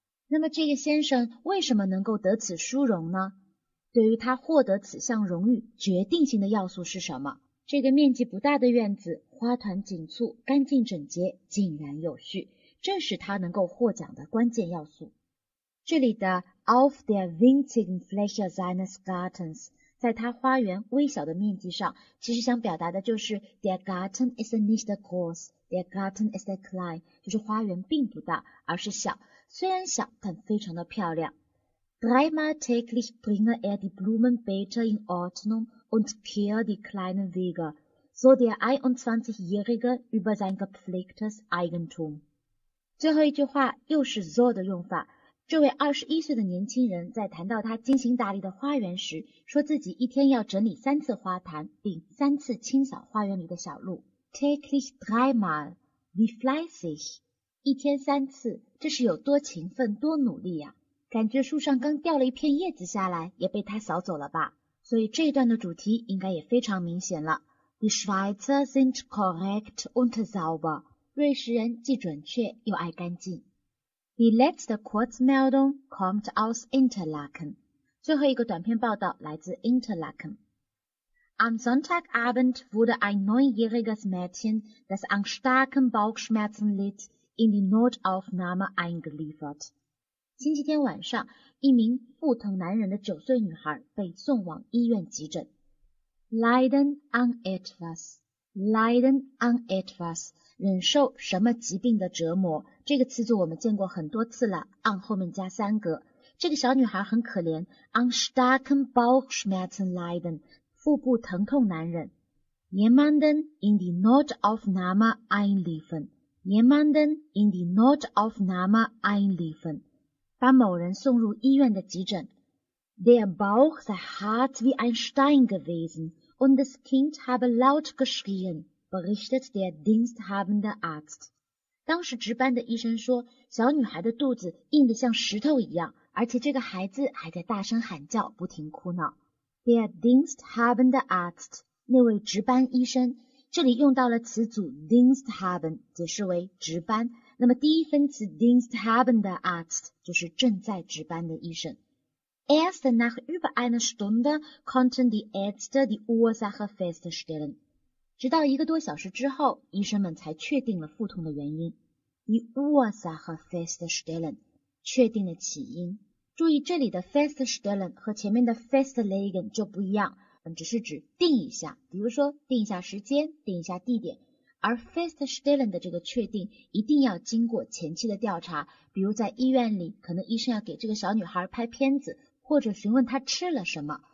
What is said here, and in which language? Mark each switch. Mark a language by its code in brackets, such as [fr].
[zh] 那么这个先生为什么能够得此殊荣呢？对于他获得此项荣誉，决定性的要素是什么？这个面积不大的院子，花团锦簇，干净整洁，井然有序，这是他能够获奖的关键要素。这里的 [de] auf der winzigen Fläche seines Gartens， [zh] 在他花园微小的面积上，其实想表达的就是 [de] Der Garten ist nicht groß, der Garten ist klein， [zh] 就是花园并不大，而是小，虽然小但非常的漂亮。 [de] Dreimal täglich bringe er die Blumenbeete in Ordnung und kehre die kleinen Wege, so der 21-Jährige über sein gepflegtes Eigentum. [zh] 最后一句话又是 so 的用法，这位21岁的年轻人在谈到他精心打理的花园时，说自己一天要整理三次花坛，并三次清扫花园里的小路。 [de] Täglich dreimal, wie fleißig. [zh] 一天三次，这是有多勤奋、多努力啊。感觉树上刚掉了一片叶子下来，也被他扫走了吧。所以这一段的主题应该也非常明显了。 [de] Die Schweizer sind korrekt und sauber. [zh] 瑞士人既准确又爱干净。 [de] Die letzte Kurzmeldung kommt aus Interlaken. [zh] 最后一个短篇报道来自 Interlaken. [de] Am Sonntagabend wurde ein 9-jähriges Mädchen, das an starken Bauchschmerzen litt, in die Notaufnahme eingeliefert. [zh] 星期天晚上，一名腹疼难忍的九岁女孩被送往医院急诊。 [de] Leiden an etwas. Leiden an etwas， [zh] 忍受什么疾病的折磨，这个词组我们见过很多次了， an 后面加三格。这个小女孩很可怜， [de] an starken Bauchschmerzen leiden， [zh] 腹部疼痛难忍。 [de] Jemanden in die Notaufnahme einliefen， Jemanden in die Notaufnahme einliefen， [zh] 把某人送入医院的急诊。 [de] Der Bauch sei hart wie ein Stein gewesenUnd das Kind habe laut geschrien, berichtet der diensthabende Arzt. [zh] 当时值班的医生说，小女孩的肚子硬得像石头一样，而且这个孩子还在大声喊叫，不停哭闹。 [de] Der diensthabende Arzt, [zh] 那位值班医生，这里用到了词组 diensthaben, 解释为值班。那么第一分词 [de] diensthabende Arzt, [zh] 就是正在值班的医生。 [de] Erst nach über einer Stunde konnten die Ärzte die Ursache feststellen. [zh] 直到一个多小时之后，医生们才确定了腹痛的原因。 [de] Die Ursache feststellen， [zh] 确定了起因。注意这里的 feststellen 和前面的 festlegen 就不一样，只是指定一下，比如说定一下时间，定一下地点。而 feststellen 的这个确定一定要经过前期的调查，比如在医院里，可能医生要给这个小女孩拍片子，或者询问她吃了什么。